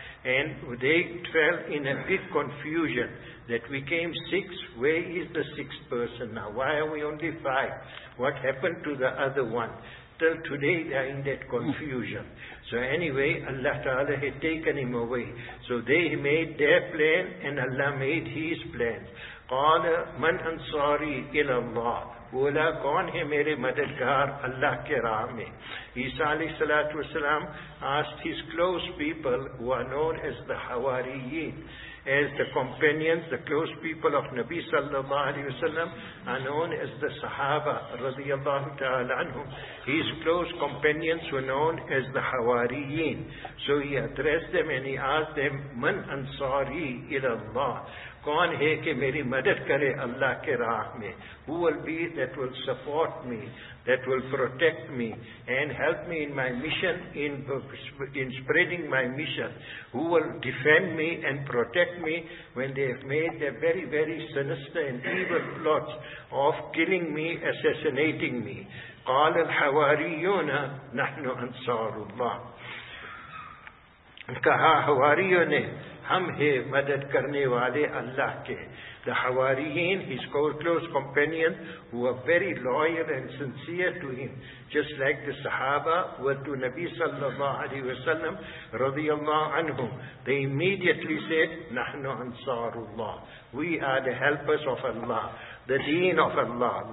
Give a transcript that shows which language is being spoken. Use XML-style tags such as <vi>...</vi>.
<en>And they fell in a big confusion that we came six, where is the sixth person now? Why are we only five? What happened to the other one? Till today they are in that confusion. So anyway, Allah Ta'ala had taken him away. So they made their plan and Allah made his plan.</en> <ar>قَالَ مَنْ أَنصَارِي إِلَى اللَّهِ.</ar> <ur>بولا کون ہے میرے مددگار اللہ کے راہ میں.</ur> <en>عیسیٰ علیہ الصلوۃ والسلام asked his close people who are known as the حواریین, as the companions, the close people of Nabi sallallahu alayhi wa sallam, are known as the Sahaba radiallahu ta'ala anhum. His close companions were known as the Hawariyin. So he addressed them and he asked them,</en> <ar>Man Ansari ila Allah?</ar> <ur>Kaun hai ke meri madad kare Allah ke raah mein?</ur> <en>Who will be that will support me, that will protect me and help me in my mission, in spreading my mission? Who will defend me and protect me when they have made their very, very sinister and evil plots of killing me, assassinating me?</en> <ar>قال الحواريون نحن انصار الله.</ar> <ur>کہا حواریوں نے ہم ہیں مدد کرنے والے اللہ کے.</ur> <en>The Hawariyin, his close companions, who were very loyal and sincere to him, just like the Sahaba were to Nabi sallallahu alayhi wa sallam, radiallahu anhum, they immediately said,</en> <ar>نَحْنُ أَنصَارُ اللَّهِ.</ar> <en>We are the helpers of Allah, the deen of Allah.</en>